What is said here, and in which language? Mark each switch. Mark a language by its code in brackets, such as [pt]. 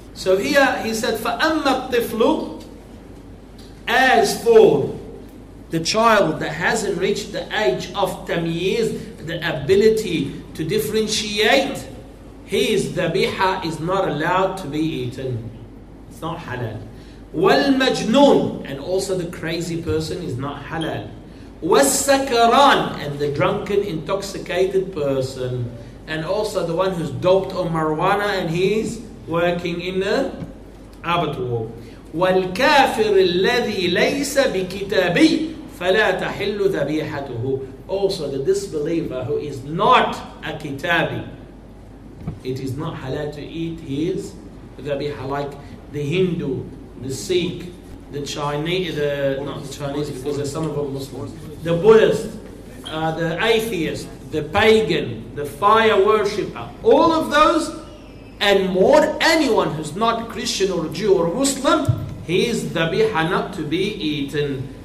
[en] So here he said, [ar] فَأَمَّا الطِّفْلُ, [en] as for the child that hasn't reached the age of tamyiz, the ability to differentiate, his dhabiha is not allowed to be eaten. It's not halal. وَالْمَجْنُون, and also the crazy person is not halal. وَالسَّكَرَان, and the drunken, intoxicated person. And also the one who's doped on marijuana and he's working in the abattoir. [ar] والكافر الذي ليس بكتابي فلا تحل ذبيحته. [en] Also the disbeliever who is not a kitabi, it is not halal to eat his ذبيحة. Like the Hindu, the Sikh, the Chinese, the, not the Chinese because there's some of them Muslims, the Buddhist, the atheist, the pagan, the fire worshipper, all of those, and more, anyone who's not Christian or Jew or Muslim, he is dhabiha, not to be eaten.